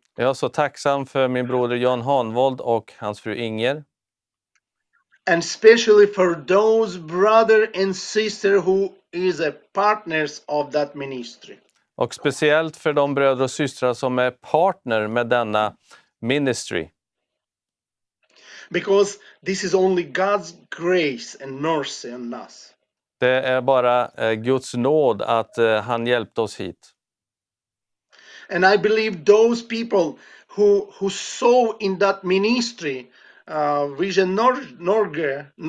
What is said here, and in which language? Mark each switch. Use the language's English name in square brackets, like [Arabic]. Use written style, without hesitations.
[Swedish] Jag är så tacksam för min bror Jan Hanvold och hans fru Inger. [English] And especially for those brother and sister who is a partners of that ministry. [Swedish] Och speciellt för de bröder och systrar som är partner med denna ministry. [English] Because this is only God's grace and mercy on us. [Swedish] Det är bara Guds nåd att han hjälpte oss hit. [English] And I believe those people who saw in that ministry Vision Norge